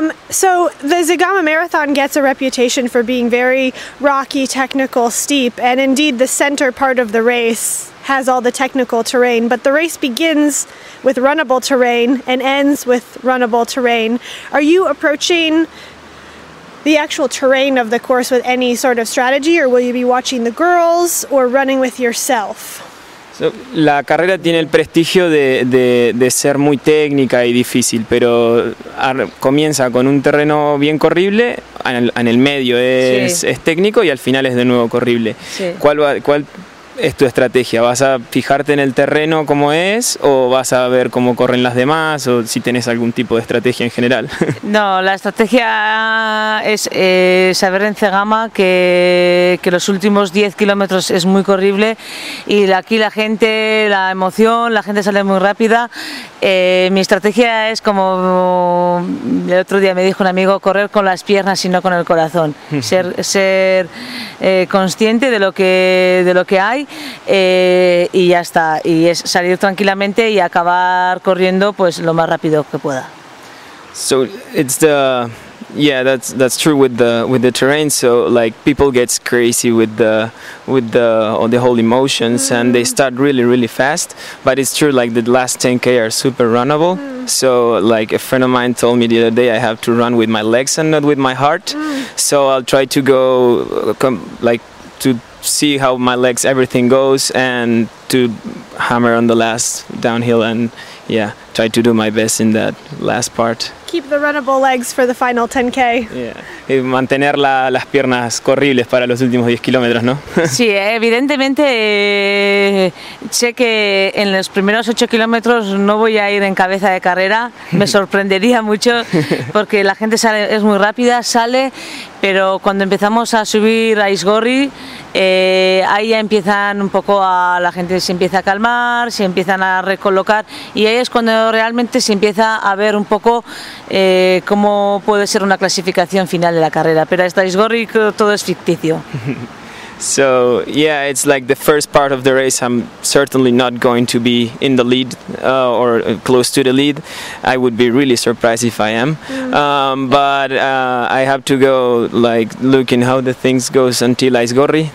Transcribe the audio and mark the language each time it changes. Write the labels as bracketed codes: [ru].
[en] So the Zegama Marathon gets a reputation for being very rocky, technical, steep, and indeed the center part of the race has all the technical terrain, but the race begins with runnable terrain and ends with runnable terrain. Are you approaching the actual terrain of the course with any sort of strategy, or will you be watching the girls or running with yourself? [es] So, la carrera tiene el prestigio de ser muy técnica y difícil, pero comienza con un terreno bien corrible, en el medio es técnico y al final es de nuevo corrible. Sí. ¿Cuál es tu estrategia? ¿Vas a fijarte en el terreno como es o vas a ver cómo corren las demás o si tenés algún tipo de estrategia en general? No, la estrategia es saber en Zegama que los últimos 10 kilómetros es muy corrible y aquí la gente, la emoción, la gente sale muy rápida. Mi estrategia es, como el otro día me dijo un amigo, correr con las piernas y no con el corazón. Ser consciente de lo que hay. Y ya está, y es salir tranquilamente y acabar corriendo pues lo más rápido que pueda. [en] So it's the Yeah, that's true with the terrain. So like people get crazy with the whole emotions, mm. and they start really really fast. But it's true, like the last 10K are super runnable. Mm. So like a friend of mine told me the other day, I have to run with my legs and not with my heart. Mm. So I'll try to go to see how my legs, everything goes, and to hammer on the last downhill and yeah, try to do my best in that last part. Keep the runnable legs for the final 10K. [es] Yeah, y mantener las piernas corribles para los últimos 10 kilómetros, ¿no? Sí, evidentemente sé que en los primeros 8 kilómetros no voy a ir en cabeza de carrera. Me sorprendería mucho porque la gente sale, es muy rápida, sale, pero cuando empezamos a subir a Aizkorri, ahí ya empiezan un poco a la gente se empieza a calmar, se empiezan a recolocar y ahí es cuando realmente se empieza a ver un poco cómo puede ser una clasificación final de la carrera, pero hasta Aizkorri todo es ficticio. [en] So yeah, it's like the first part of the race. I'm certainly not going to be in the lead or close to the lead. I would be really surprised if I am. Mm-hmm. But I have to go like looking how the things goes until Aizkorri.